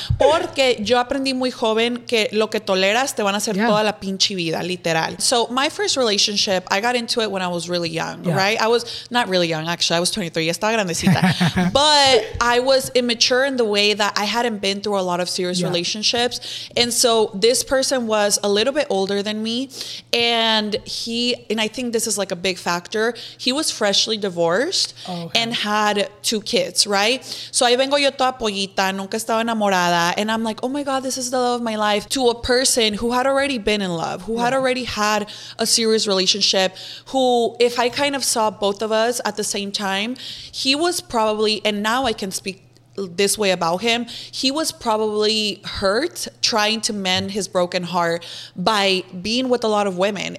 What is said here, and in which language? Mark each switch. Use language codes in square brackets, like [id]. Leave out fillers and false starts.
[es] Porque yo aprendí muy joven que lo que toleras te van a hacer toda la pinche vida, literal. [en] So my first relationship, I got into it when I was really young, right? I was not really young, actually. I was 23. [es] Ya estaba grandecita. [en] But I was immature in the way that I hadn't been through a lot of serious relationships. And so this person was a little bit older than me. And he, and I think this is like a big factor, he was freshly divorced and had two kids, right? So I [es] vengo yo toda pollita, nunca estaba enamorada. [en] And I'm like, oh my God, this is the love of my life. To a person who had already been in love, who had already had a serious relationship, who, if I kind of saw both of us at the same time, he was probably, and now I can speak this way about him, he was probably hurt trying to mend his broken heart by being with a lot of women.